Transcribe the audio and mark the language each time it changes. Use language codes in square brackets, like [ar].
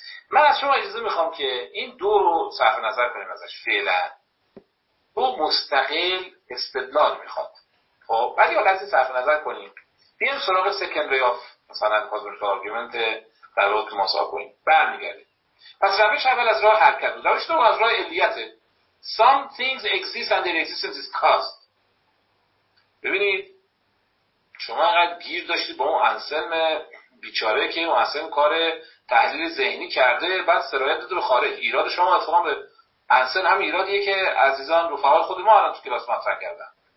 [fa] من از شما اجازه میخوام که این دو رو صرف نظر کنیم ازش فعلا. دو مستقل استدلال میخواد. خب ولی حالا از این صرف نظر کنیم بیایم سراغ [en] second way of [fa] مثلا [en] cosmic argument [fa] در روی تماس آکوین برمیگردیم. پس روش اول از راه حرکت بود، روش دوم از راه علیته. [en] Some things exist and their existence is caused. [fa] ببینید شما انقدر گیر داشتید با اون انسلم بیچاره که اون انسلم کار تحلیل ذهنی کرده بعد سرایت داده رو خارج. ایراد شما اتفاقا به انسلم هم ایرادیه که عزیزان رفقا خود ما الان تو کلاس مطرح کردن.